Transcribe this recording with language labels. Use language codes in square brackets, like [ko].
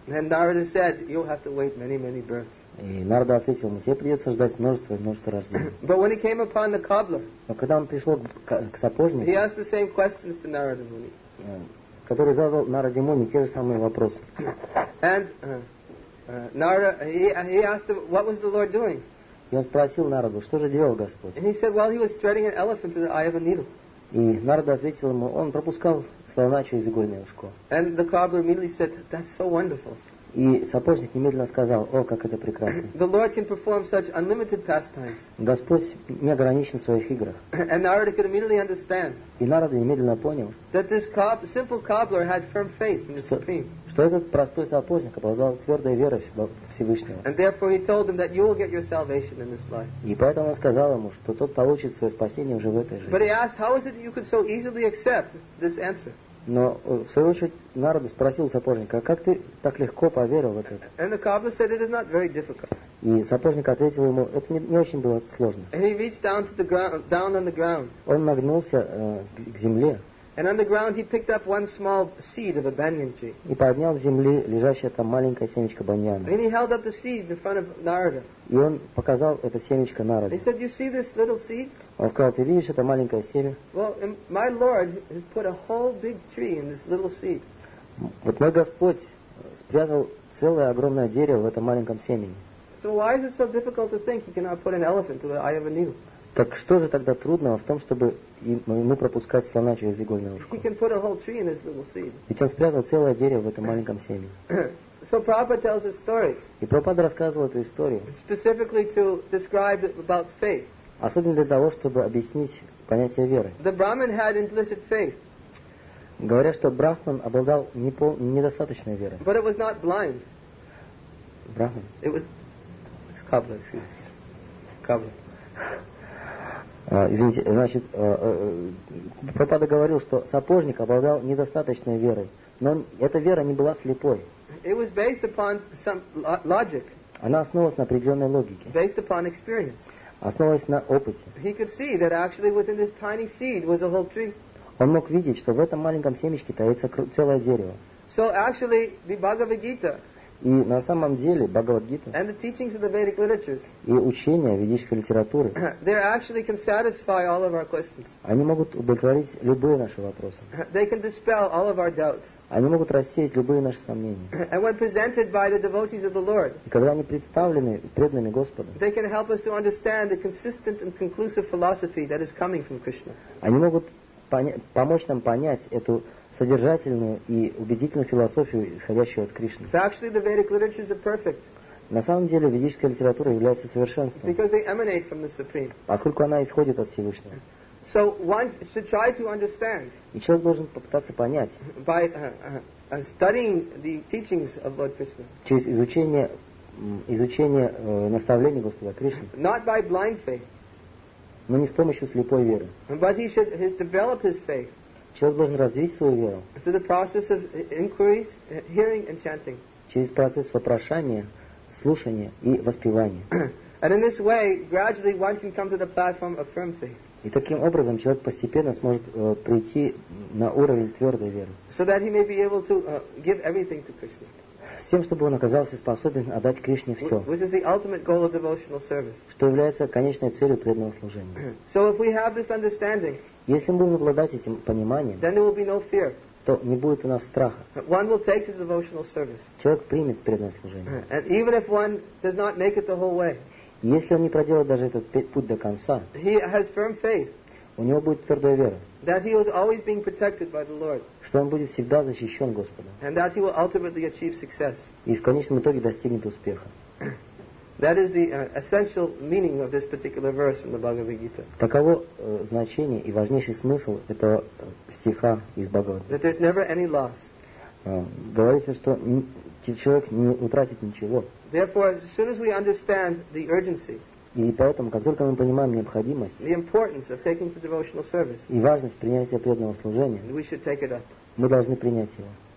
[en] And Narada said, "You'll have to wait many births." [ru] И Нарада ответил ему, тебе придется ждать множество рождений. [en] But when he came upon the cobbler, [ru] но когда он пришел к сапожнику, [en] he asked the same questions to Narada Muni, [ru] который задал Нараде Муни те же самые вопросы. [en] And Narada, he asked him, "What was the Lord doing?" [ru] И он спросил Нараду, что же делал Господь? [en] And he said, "Well, he was threading an elephant to the eye of a needle." [ru] И Нарада ответил ему, он пропускал слона через игольное ушко. [en] And the cobbler immediately said, "That's so wonderful." [ru] И сапожник немедленно сказал, о, как это прекрасно. [en] The Lord can perform such unlimited pastimes. [ru] Господь не ограничен в своих играх. [en] And Narada could immediately understand. [ru] И Нарада немедленно понял. [en] That this simple cobbler had firm faith in the Supreme. [ru] Что этот простой сапожник обладал твердой верой в Всевышнего. [en] And therefore he told him that you will get your salvation in this life. [ru] И поэтому он сказал ему, что тот получит свое спасение уже в этой жизни. [en] But he asked, how is it that you could so easily accept this answer? [ru] Но в свою очередь Нарада спросил сапожника, как ты так легко поверил в это? [en] And the cobbler said, it is not very difficult. [ru] И сапожник ответил ему, это не очень было сложно. [en] And he reached down to the ground, down on the ground. [ru] Он нагнулся к земле. [en] And on the ground he picked up one small seed of a banyan tree. [ru] И поднял с земли лежащее там маленькое семечко баньяна. [en] And he held up the seed in front of Narada. [ru] И он показал это семечко Нараде. [en] He said, "You see this little seed?" [ru] Он сказал, ты видишь это маленькое семя? [en] Well, my Lord has put a whole big tree in this little seed. [ru] Вот мой Господь спрятал целое огромное дерево в этом маленьком семени. [en] So why is it so difficult to think he cannot put an elephant to the eye of a needle? [ru] Так что же тогда трудного в том, чтобы ему пропускать слона через игольное ушко? [en] He can put a whole tree in this little seed. [ru] Ведь он спрятал целое дерево в этом маленьком семени. [en] So Prabhupada tells a story. [ru] И Прабхупада рассказывал эту историю. [en] Specifically to describe about faith. [ru] Особенно для того, чтобы объяснить понятие веры. [en] The Brahmin had implicit faith. [ru] Говоря, что Брахман обладал недостаточной верой. [en] But it was not blind. [ru] Брахман. [en] It was... It's cobbler, excuse me. Cobbler. [ru] Извините, значит, Прабхупада говорил, что сапожник обладал недостаточной верой. Но эта вера не была слепой. [en] It was based upon some logic. [ru] Она основывалась на определенной логике. [en] Based upon experience. [ru] Основываясь на опыте. [en] He could see that actually within this tiny seed was a whole tree. [ru] Он мог видеть, что в этом маленьком семечке таится целое дерево. [en] So actually, the Bhagavad Gita. [ru] И на самом деле Бхагавад Гита. [en] And the teachings of the Vedic literatures. [ru] И учения ведической литературы. [en] They actually can satisfy all of our questions. [ru] Они могут удовлетворить любые наши вопросы. [en] They can dispel all of our doubts. [ru] Они могут рассеять любые наши сомнения. [en] And when presented by the devotees of the Lord. [ru] И когда они представлены преданными Господом. [en] They can help us to understand the consistent and conclusive philosophy that is coming from Krishna. [ru] Они могут помочь нам понять эту содержательную и убедительную философию, исходящую от Кришны. [en] Actually, the Vedic literatures are perfect. [ru] На самом деле, ведическая литература является совершенством. [en] Because they emanate from the Supreme. [ru] Поскольку она исходит от Всевышнего. [en] So one should try to understand. [ru] И человек должен попытаться понять. [en] By studying the teachings of Lord Krishna. [ru] Через изучение наставлений Господа Кришны. [en] Not by blind faith. [ru] Но не с помощью слепой веры. [en] But he should develop his faith. [ru] Человек должен развить свою веру. [en] Through the process of inquiries, hearing and chanting. [ru] Через процесс вопрошания, слушания и воспевания. [en] And in this way, gradually one can come to the platform of firm faith. [ru] И таким образом человек постепенно сможет прийти на уровень твердой веры. [en] So that he may be able to give everything to Krishna. [ru] С тем, чтобы он оказался способен отдать Кришне все. [en] Which is the ultimate goal of devotional service. [ru] Что является конечной целью преданного служения. [en] So if we have this understanding. [ru] Если мы будем обладать этим пониманием, [en] then there will be no fear. [ru] То не будет у нас страха. [en] One will take to the devotional service. [ru] Человек примет преданное служение. [en] And even if one does not make it the whole way, [ru] если он не проделает даже этот путь до конца, [en] he has firm faith. [ru] У него будет твердая вера. [en] That he is always being protected by the Lord. [ru] Что он будет всегда защищен Господом. [en] And that he will ultimately achieve success. [ru] И в конечном итоге достигнет успеха. [en] That is the essential meaning of this particular verse from the Bhagavad Gita. [ru] Таково значение и важнейший смысл этого стиха из Бхагавад Гиты. [en] That there's never any loss. [ru] Говорится, что человек не утратит ничего. [en] Therefore, as soon as we understand the urgency. [ru] И поэтому, как только мы понимаем необходимость и важность принятия преданного служения, мы должны принять его.